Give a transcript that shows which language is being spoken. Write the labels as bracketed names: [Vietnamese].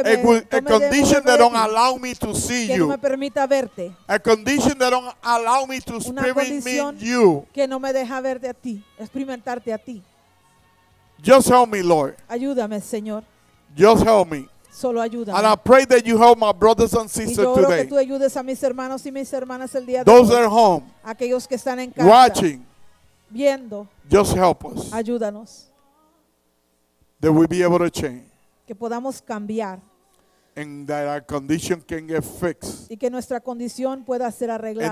[English] a condition that don't allow me to see [Spanish] que [English] you. [Spanish] No me permita verte. [English] A condition that don't allow me to experience [Spanish] una condición [English] me you. [Spanish] Que no me deja verte a ti, experimentarte a ti. [English] Just help me, Lord. [Spanish] Ayúdame, Señor. [English] Just help me. [Spanish] Solo ayúdame. [English] And I pray that you help my brothers and sisters [Spanish] y yo oro [English] today. [Spanish] Que tú ayudes a mis hermanos y mis hermanas el día [English] those [Spanish] de hoy. [English] At home. [Spanish] Aquellos que están en casa. [English] Watching. [Spanish] Viendo. [English] Just help us. [Spanish] Ayúdanos. [English] That we be able to change. [Spanish] Que podamos cambiar. [English] And that our condition can get fixed. [Spanish] Y que nuestra condición pueda ser arreglada.